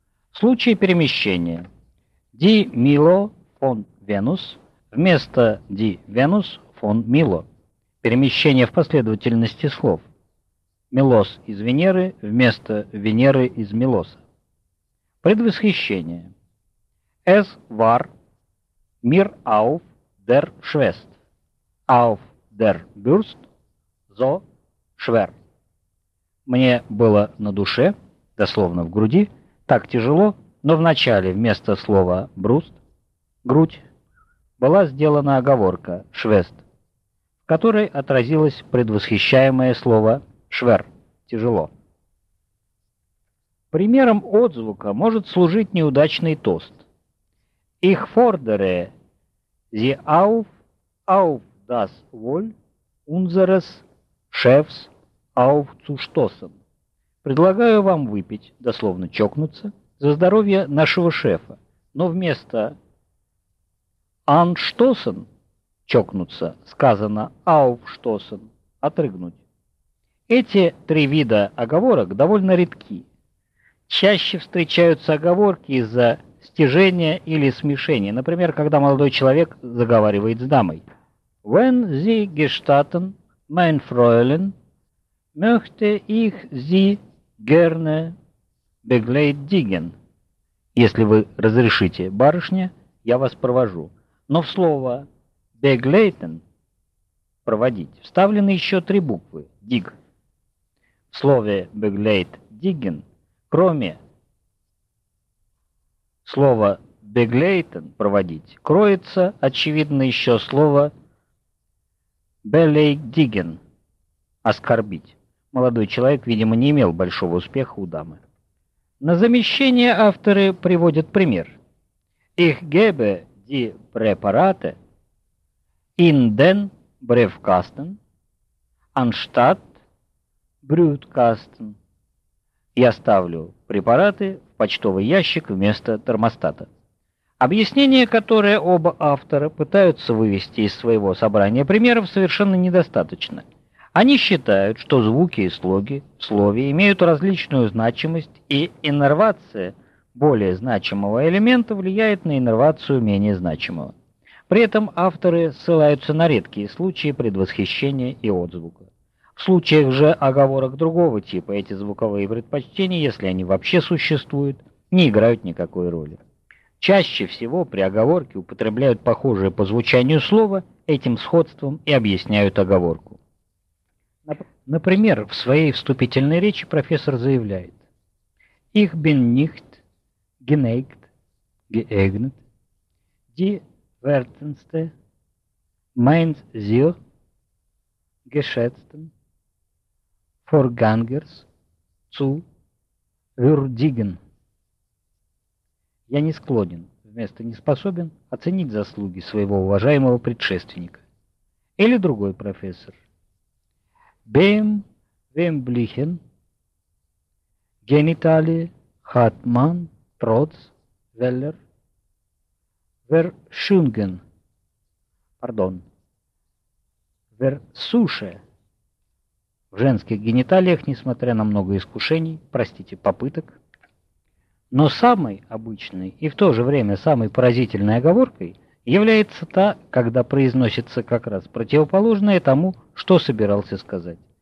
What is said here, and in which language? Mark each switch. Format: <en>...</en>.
<ru>В случае перемещения «Ди Мило фон Венус» вместо «Ди Венус фон Мило». Перемещение в последовательности слов. «Милос из Венеры» вместо «Венеры из Милоса». Предвосхищение.</ru> <de>«Es war mir auf der Schwest, auf der Brust so schwer».</de> <ru>«Мне было на душе, дословно в груди, так тяжело, но вначале вместо слова «бруст» — «грудь» была сделана оговорка «швест», в которой отразилось предвосхищаемое слово «швер» — «тяжело». Примером отзвука может служить неудачный тост.</ru> <de>«Ich fordere sie auf das Wohl unseres Chefs aufzustoßen».</de> <ru>«Предлагаю вам выпить», дословно «чокнуться», «за здоровье нашего шефа», но вместо «anstoßen» — «чокнуться» сказано «aufstoßen» — «отрыгнуть». Эти три вида оговорок довольно редки. Чаще встречаются оговорки из-за стяжения или смешения, например, когда молодой человек заговаривает с дамой.</ru> <de>«Wenn Sie gestatten, mein Fräulein, möchte ich Sie gerne begleitigen».</de> <ru>«Если вы разрешите, барышня, я вас провожу». Но в слово «begleiten» — «проводить» — вставлены еще три буквы «dig». В слове «begleitigen» кроме слова «begleiten» — «проводить» кроется, очевидно, еще слово «beleidigen» — «оскорбить». Молодой человек, видимо, не имел большого успеха у дамы. На замещение авторы приводят пример.</ru> <de>«Ich gebe die Präparate in den Briefkasten anstatt Brutkasten».</de> <ru>«Я ставлю препараты в почтовый ящик вместо термостата». Объяснение, которое оба автора пытаются вывести из своего собрания примеров, совершенно недостаточно. Они считают, что звуки и слоги в слове имеют различную значимость, и иннервация более значимого элемента влияет на иннервацию менее значимого. При этом авторы ссылаются на редкие случаи предвосхищения и отзвука. В случаях же оговорок другого типа эти звуковые предпочтения, если они вообще существуют, не играют никакой роли. Чаще всего при оговорке употребляют похожее по звучанию слово, этим сходством и объясняют оговорку. Например, в своей вступительной речи профессор заявляет:</ru> <de>«Ich bin nicht geeignet, die wertendste, meint sie, geschätzten Vorgängers zu würdigen».</de> <ru>«Я не склонен, вместо «не способен», оценить заслуги своего уважаемого предшественника». Или другой профессор:</ru> <de>«Beim weiblichen Genitali hat man trotz weller Verschungen, pardon, Versuche».</de> <ru>В женских гениталиях, несмотря на много искушений, простите, попыток, но самой обычной и в то же время самой поразительной оговоркой является та, когда произносится как раз противоположное тому, что собирался сказать.</ru>